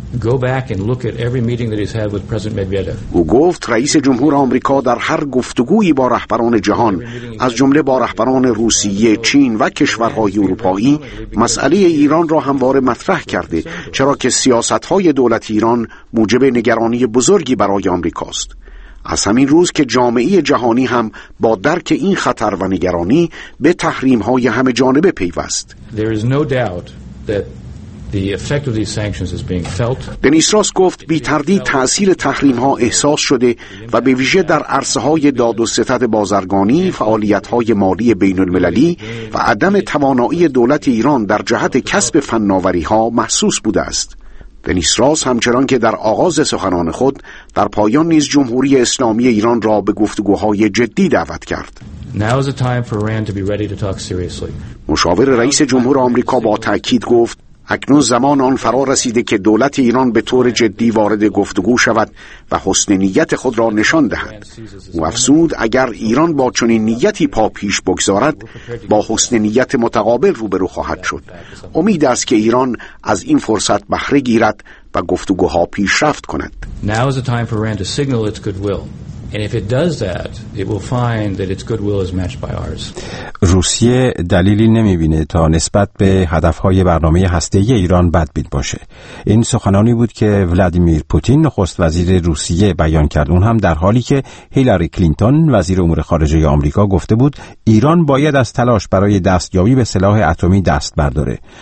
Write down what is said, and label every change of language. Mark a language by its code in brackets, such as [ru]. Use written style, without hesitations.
[en] Go back and look at every meeting that he's had with President Medvedev. [fa] او گفت رئیس جمهور آمریکا در هر گفتگویی با رهبران جهان، از جمله با رهبران روسیه، چین و کشورهای اروپایی، مسئله ایران را همواره مطرح کرده، چرا که سیاست‌های دولت ایران موجب نگرانی بزرگی برای آمریکاست. از همین روز که جامعه جهانی هم با درک این خطر و نگرانی به تحریم‌های همه جانبه پیوست. [en] There is no doubt that the effect of these sanctions is being felt. [fa] دنیس راس گفت بی‌تردید تأثیر تحریم‌ها احساس شده و به ویژه در عرصه‌های داد و ستد بازرگانی، فعالیت‌های مالی بین‌المللی و عدم توانایی دولت ایران در جهت کسب فناوری‌ها محسوس بوده است. دنیس راس همچنان که در آغاز سخنان خود در پایان نیز جمهوری اسلامی ایران را به گفتگوهای جدی دعوت کرد. [en] Now is the time for Iran to be ready to talk seriously. [fa] مشاور رئیس جمهور آمریکا با تأکید گفت اکنون زمان آن فرا رسیده که دولت ایران به طور جدی وارد گفتگو شود و حسن نیت خود را نشان دهد. او افزود اگر ایران با چنین نیتی پا پیش بگذارد، با حسن نیت متقابل روبرو خواهد شد. امید است که ایران از این فرصت بهره گیرد و گفتگوها پیشرفت کند. [en] Now is the time for Iran to signal its goodwill. And if it does that, it will find that its goodwill is matched by ours. [fa] روسیه دلیلی نمی‌بینه تا نسبت به هدف‌های برنامه هسته‌ای ایران بدبین باشه. این سخنانی بود که ولادیمیر پوتین نخست وزیر روسیه بیان کرد، اون هم در حالی که هیلاری کلینتون وزیر امور خارجه آمریکا گفته بود ایران باید از تلاش برای دستیابی به سلاح اتمی دست برداره.